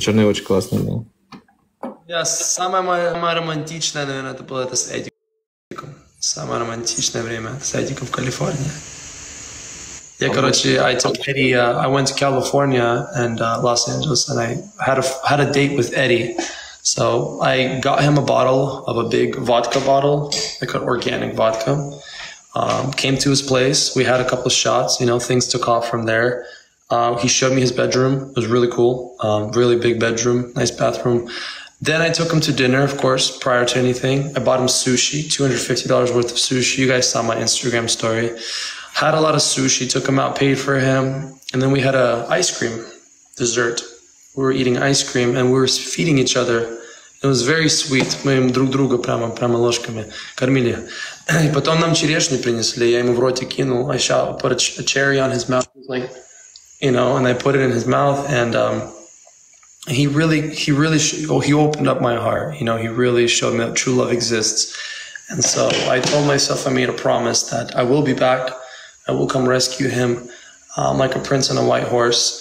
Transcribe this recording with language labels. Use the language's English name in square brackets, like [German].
[Russian] Черный очень классный был. Да, самое моя романтичное, наверное, это было это с Эдиком. Самое романтичное время с Эдиком в Калифорнии. Я, короче, [English] I took Eddie, I went to California and Los Angeles, and I had a date with Eddie. So I got him a bottle of a big vodka bottle, like an organic vodka. Came to his place. We had a couple of shots. You know, things took off from there. He showed me his bedroom. It was really cool. Really big bedroom, nice bathroom. Then I took him to dinner, of course, prior to anything. I bought him sushi, $250 worth of sushi. You guys saw my Instagram story. Had a lot of sushi, took him out, paid for him. And then we had a ice cream dessert. We were eating ice cream and we were feeding each other. It was very sweet. [Russian] Мы друг друга прямо ложками кормили. И потом нам черешню принесли. Я ему в роте кинул. [English] I put a cherry on his mouth. Like, you know, and I put it in his mouth, and he opened up my heart. You know, he really showed me that true love exists. And so I told myself, I made a promise that I will be back. I will come rescue him like a prince on a white horse.